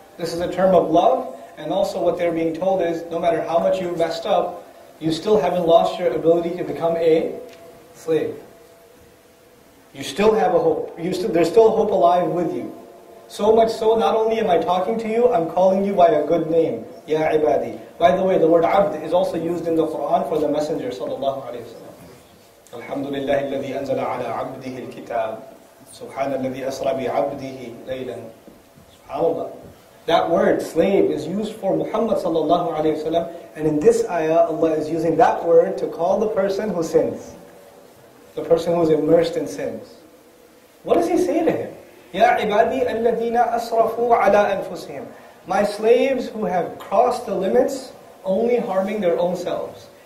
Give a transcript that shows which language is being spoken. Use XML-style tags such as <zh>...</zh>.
<en>This is a term of love, and also what they're being told is, no matter how much you messed up, you still haven't lost your ability to become a slave. You still have a hope. There's still hope alive with you. So much so, not only am I talking to you, I'm calling you by a good name. Ya ibadi. By the way, the word abd is also used in the Quran for the messenger, sallallahu alayhi wa sallam.</en> <ar>Alhamdulillah, الذي أنزل على عبده الكتاب. سبحان الذي أسرى بعبده ليلا.</ar> <en>SubhanAllah. That word, slave, is used for Muhammad sallallahu alayhi wa sallam. And in this ayah, Allah is using that word to call the person who sins. The person who is immersed in sins. What does he say to him?</en> <ar>Ya ibadi alladhina asrafu ala anfusihim.</ar> <en>My slaves who have crossed the limits, only harming their own selves.</en>